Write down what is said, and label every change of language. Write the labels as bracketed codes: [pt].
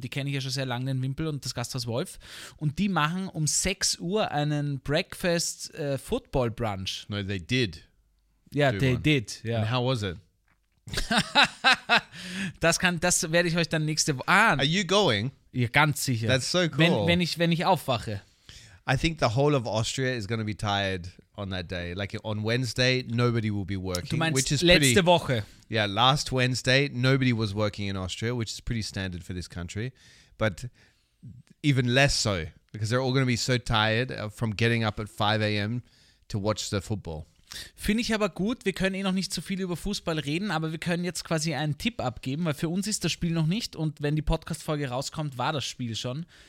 [de] Die kenne ich ja schon sehr lange, den Wimpel und das Gasthaus Wolf. Und die machen um 6 Uhr einen Breakfast-Football-Brunch. [en] No, they did. Yeah, they did. Yeah. And how was it? [de] das werde ich euch dann nächste Woche... [en] Are you going? [de] Ja, ganz sicher. [en] That's so cool. [de] Wenn ich aufwache. [en] I think the whole of Austria is going to be tired on that day. Like on Wednesday, nobody will be working. [de] Du meinst, [en] which is [de] letzte Woche. [en] Yeah, last Wednesday, nobody was working in Austria, which is pretty standard for this country. But even less so, because they're all going to be so tired from getting up at 5 a.m. to watch the football. [de] Finde ich aber gut, wir können eh noch nicht so viel über Fußball reden, aber wir können jetzt quasi einen Tipp abgeben, weil für uns ist das Spiel noch nicht und wenn die Podcast-Folge rauskommt, war das Spiel schon.